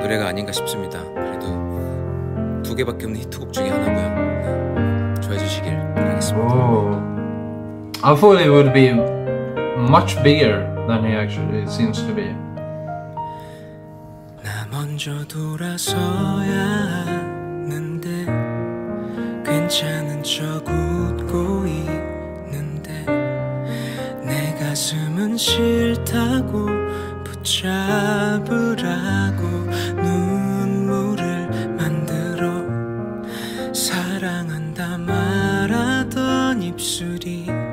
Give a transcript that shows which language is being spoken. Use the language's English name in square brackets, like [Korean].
[Korean] 노래가 아닌가 싶습니다. 그래도 두 개밖에 없는 히트곡 중에 하나고요. 네. 좋아해주시길 바라겠습니다. [English] I thought it would be much bigger than it actually seems to be. [Korean] 먼저 돌아서야 하는데 괜찮은 척 웃고 있는데 내 가슴은 싫다고 붙잡으라고 눈물을 만들어 사랑한다 말하던 입술이